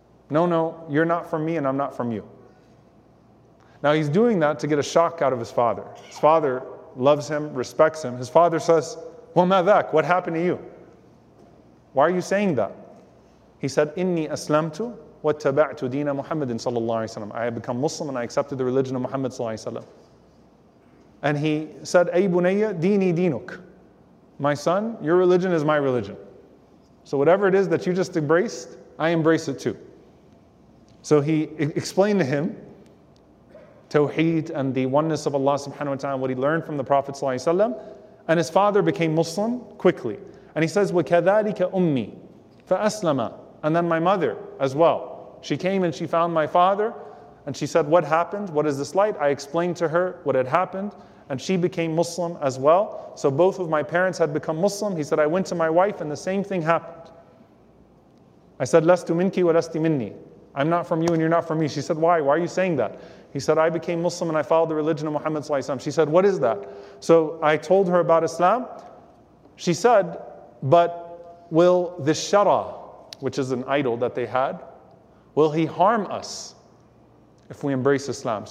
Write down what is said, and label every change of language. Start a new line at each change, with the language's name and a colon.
English: No, no, you're not from me and I'm not from you. Now he's doing that to get a shock out of his father. His father loves him, respects him. His father says,
Arabic: وَمَا ذَاكَ,
English: what happened to you? Why are you saying that? He said,
Arabic: إِنِّي أَسْلَمْتُ وَاتَّبَعْتُ دِينَ مُحَمَّدٍ صَلَّى اللَّهُ عَلَيْهِ وَسَلَّمَ.
English: I have become Muslim and I accepted the religion of Muhammad صلى الله عليه وسلم. And he said,
Arabic: أي بني ديني دينك.
English: My son, your religion is my religion. So whatever it is that you just embraced, I embrace it too. So he explained to him Tawheed and the oneness of Allah subhanahu wa ta'ala, what he learned from the Prophet صلى الله عليه وسلم. And his father became Muslim quickly. And he says,
Arabic: وَكَذَلِكَ أُمِّي فَأَسْلَمَ.
English: And then my mother as well. She came and she found my father and she said, what happened? What is this light? I explained to her what had happened and she became Muslim as well. So both of my parents had become Muslim. He said, I went to my wife and the same thing happened. I said,
Arabic: لَسْتُ مِنْكِ وَلَسْتِ مِنِّي.
English: I'm not from you and you're not from me. She said, why? Why are you saying that? He said, I became Muslim and I followed the religion of Muhammad صلى الله عليه وسلم. She said, what is that? So I told her about Islam. She said, but will the Shara, which is an idol that they had, will he harm us if we embrace Islam?